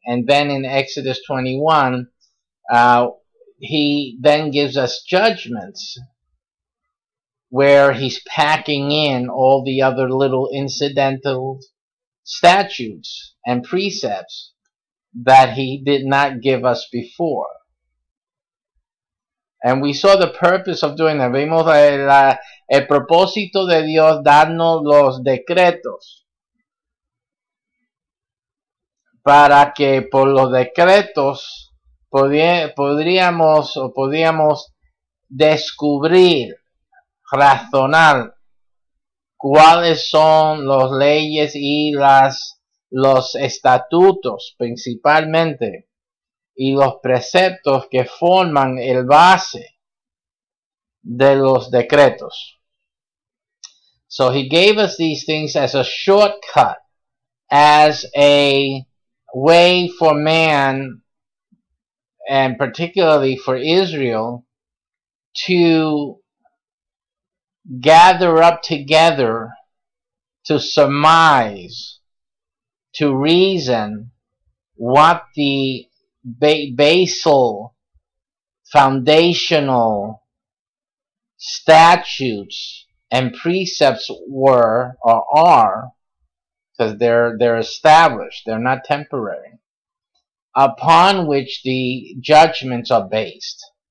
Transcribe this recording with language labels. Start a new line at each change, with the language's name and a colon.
English: And then in Exodus 21, he then gives us judgments where he's packing in all the other little incidental statutes and precepts that he did not give us before. And we saw the purpose of doing that.
Spanish: Vimos el propósito de Dios darnos los decretos. Para que por los decretos podíamos descubrir, razonar, cuáles son las leyes y los estatutos principalmente y los preceptos que forman el base de los decretos.
English: So he gave us these things as a shortcut, as a way for man, and particularly for Israel, to gather up together, to surmise, to reason what the basal, foundational statutes and precepts were or are, because they're established, they're not temporary, upon which the judgments are based.